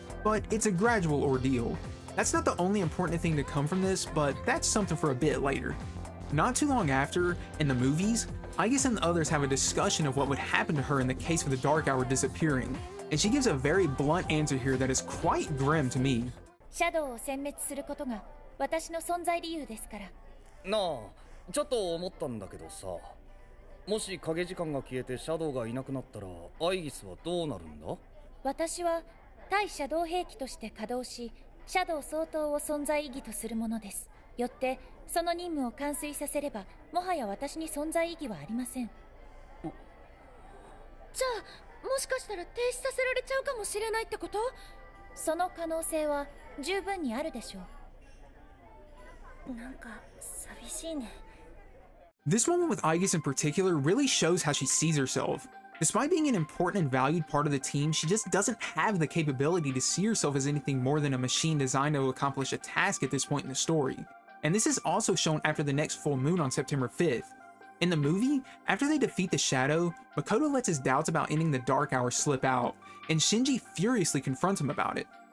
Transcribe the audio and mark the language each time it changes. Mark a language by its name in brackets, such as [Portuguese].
[English] But it's a gradual ordeal. That's not the only important thing to come from this, but that's something for a bit later. Not too long after, in the movies, Aigis and the others have a discussion of what would happen to her in the case of the Dark Hour disappearing, and she gives a very blunt answer here that is quite grim to me. [Japanese] シャドウを殲滅することが私の存在理由ですから。なあ、ちょっと思ったんだけどさ、もし影時間が消えてシャドウがいなくなったら、アイギスはどうなるんだ？私は対シャドウ兵器として稼働し、シャドウ総統を存在意義とするものです。よって、その任務を完遂させれば、もはや私に存在意義はありません。じゃあ、もしかしたら停止させられちゃうかもしれないってこと？その可能性は十分にあるでしょう。なんか寂しいね。 [English] This moment with Aigis in particular really shows how she sees herself. Despite being an important and valued part of the team, she just doesn't have the capability to see herself as anything more than a machine designed to accomplish a task at this point in the story. And this is also shown after the next full moon on September 5th. In the movie, after they defeat the Shadow, Makoto lets his doubts about ending the Dark Hour slip out, and Shinji furiously confronts him about it.